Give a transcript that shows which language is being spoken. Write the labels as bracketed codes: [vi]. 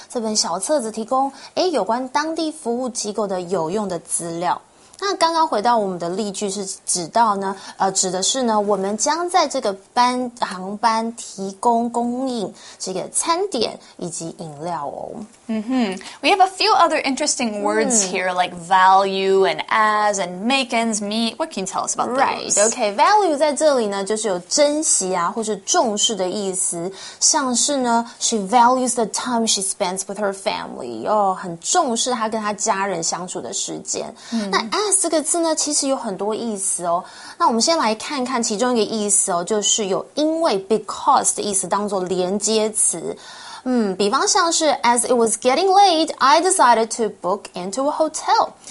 [zh] 这本小册子提供有关当地服务机构的有用的资料。那刚刚回到我们的例句是指到呢，指的是呢，我们将在这个航班提供供应这个餐点以及饮料哦。 [en] We have a few other interesting words here, like value and as and make ends meet. What can you tell us about those? Right, okay. [zh] Value 在这里呢，就是有珍惜啊，或是重视的意思。像是呢 [en] ，she values the time she spends with her family. [zh] 哦，很重视她跟她家人相处的时间。那 as 这个字呢，其实有很多意思哦。那我们先来看看其中一个意思哦，就是有因为 because 的意思当作连接词。比方像是 [en] As it was getting late, I decided to book into a hotel.